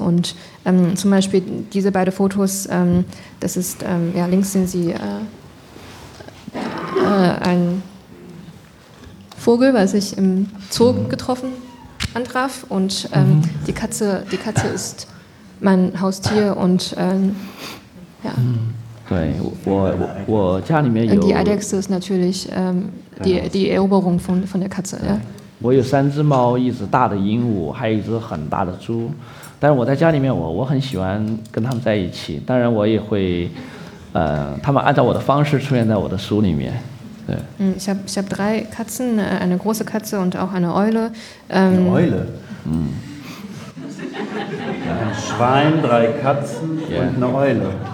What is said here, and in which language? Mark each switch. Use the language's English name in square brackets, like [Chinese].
[German] Und zum Beispiel diese beiden Fotos, das ist, links sind sie ein Vogel, was ich im Zoo antraf. Und die Katze ist mein Haustier und Die Eidechse ist natürlich die Eroberung von der Katze, ja. [Chinese] 我有三只猫，一只大的鹦鹉，还有一只很大的猪。但是我在家里面我很喜欢跟他们在一起，当然我也会他们按照我的方式出现在我的书里面。 [German] Ich habe drei Katzen, eine große Katze und auch eine Eule. Eine Eule? Ein Schwein, drei Katzen und eine Eule.